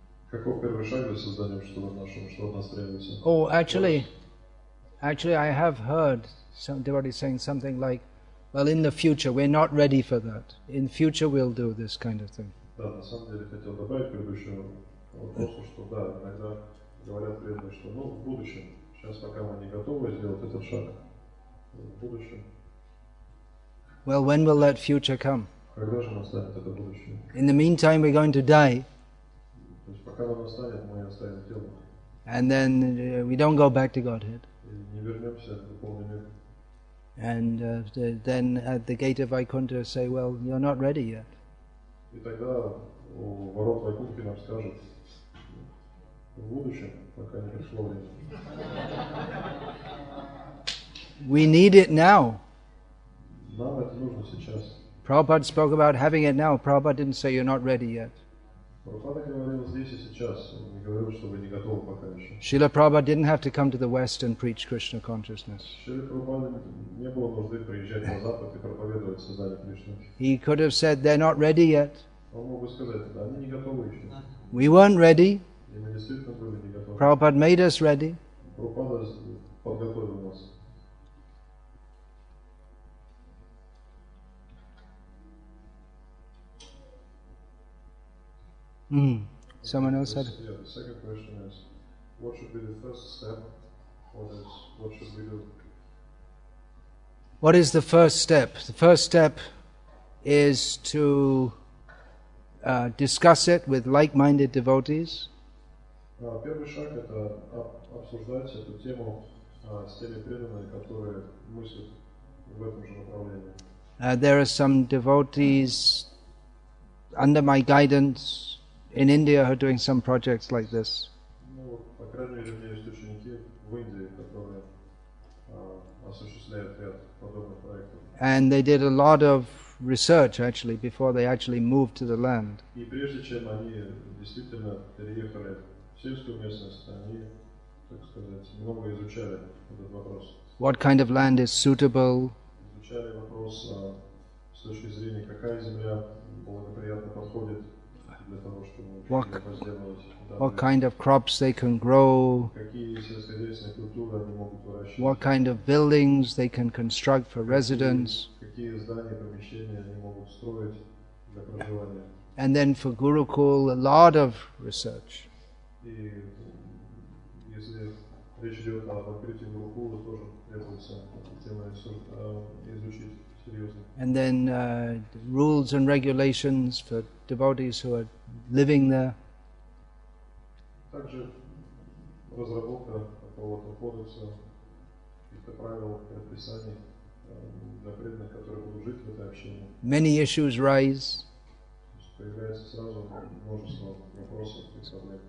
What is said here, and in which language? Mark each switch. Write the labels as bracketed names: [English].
[Russian] Какой первый шаг для создания общества в нашем? Что от нас требуется? [English] Oh, actually, I have heard some devotees saying something like, "Well, in the future, we're not ready for that. In future, we'll do this kind of thing." [Russian] Да, на самом деле хотел добавить предыдущего. Вопросу, что да, иногда говорят преданные, что ну, в будущем, сейчас пока мы не готовы сделать этот шаг, в будущем. [English] Well, when will that future come? [Russian] Когда же настанет это будущее? [English] In the meantime, we're going to die. [Russian] То есть пока оно настанет, мы оставим тело. [English] And then we don't go back to Godhead. [Russian] И не вернемся в духовный мир. [English] And then at the gate of Vaikuntha say, well, you're not ready yet. [Russian] И тогда у ворот Вайкунтхи нам скажут, в будущем, пока не пришло время. [English] We need it now. [Russian] Нам это нужно сейчас. [English] Prabhupada spoke about having it now. Prabhupada didn't say you're not ready yet. [Russian] Prabhupada говорил здесь и сейчас. Он не говорил, что вы не готовы пока еще. [English] Srila Prabhupada didn't have to come to the West and preach Krishna consciousness. [Russian] Srila Prabhupada не было нужды приезжать на Запад и проповедовать сознание Кришны. [English] He could have said they're not ready yet. [Russian] Он мог бы сказать, да, они не готовы еще. [English] We weren't ready. [Russian] Были, [English] Prabhupada made us ready. [Russian] Prabhupada подготовил нас. [English] Mm. Someone else had. Yeah, the second question is, what should be the first step for this? What should we do? What is the first step? The first step is to discuss it with like-minded devotees. [Russian] Первый шаг – это обсуждать эту тему с теми преданными, которые мыслят в этом же направлении. [English] There are some devotees under my guidance in India who are doing some projects like this. [Russian] Ну, по крайней мере, у меня есть ученики в Индии, которые осуществляют ряд подобных проектов. [English] And they did a lot of research, actually, before they actually moved to the land. [Russian] И прежде чем они действительно переехали сельскую местность, они, так сказать, много изучали этот вопрос. [English] What kind of land is suitable? [Russian] Изучали вопрос с точки зрения, какая земля благоприятно подходит для того, чтобы возделывать. [English] What kind of crops they can grow? [Russian] Какие сельскохозяйственные культуры они могут выращивать? [English] What kind of buildings they can construct for residents? [Russian] Какие здания, помещения они могут строить для проживания? [English] And then for Gurukul, a lot of research. [Russian] И если речь идет об открытии Гурукулы, тоже требуется тема изучить серьезно. [English] And then rules and regulations for devotees who are living there. [Russian] Также разработка какого-то кодекса, каких-то правил, предписаний для преданных, которые будут жить в этой общине. [English] Many issues rise. [Russian] Появляется сразу множество вопросов и проблем.